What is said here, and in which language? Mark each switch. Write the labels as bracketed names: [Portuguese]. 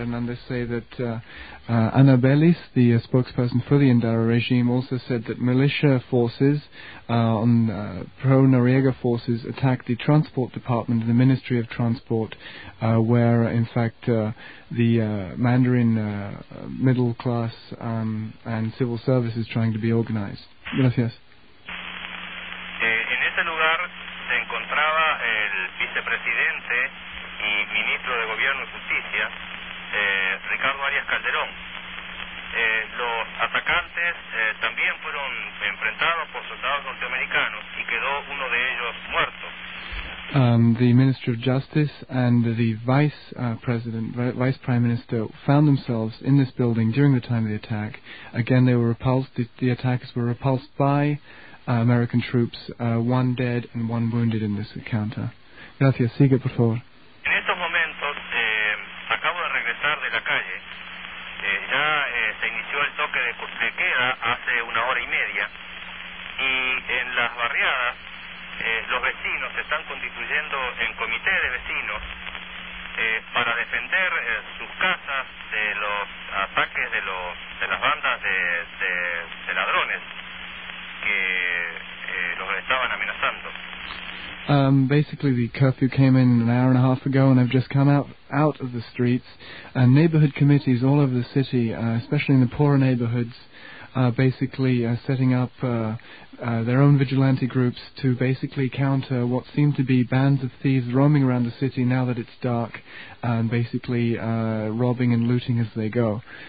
[English] Hernandez say that Ana Belis, the spokesperson for the Indara regime, also said that militia forces pro-Noriega forces attacked the Transport Department and the Ministry of Transport, where, in fact, the Mandarin middle class and civil service is trying to be organized. [Spanish] Gracias. Vicepresidente y ministro de Gobierno y Justicia, Ricardo Arias Calderón. Los atacantes también fueron enfrentados por soldados norteamericanos y quedó uno de ellos muerto. [English] The Minister of Justice and the Vice President, Vice Prime Minister, found themselves in this building during the time of the attack. Again, they were repulsed. The attackers were repulsed by American troops, one dead and one wounded in this encounter. [Spanish] Gracias. Sigue, por favor. En estos momentos, acabo de regresar de la calle. Ya se inició el toque de queda hace una hora y media. Y en las barriadas, los vecinos se están constituyendo en comité de vecinos para defender sus casas de los ataques de las bandas de ladrones que los estaban amenazando. [English] Basically, the curfew came in an hour and a half ago, and I've just come out of the streets. And neighborhood committees all over the city, especially in the poorer neighborhoods, are basically setting up their own vigilante groups to basically counter what seem to be bands of thieves roaming around the city now that it's dark, and basically robbing and looting as they go.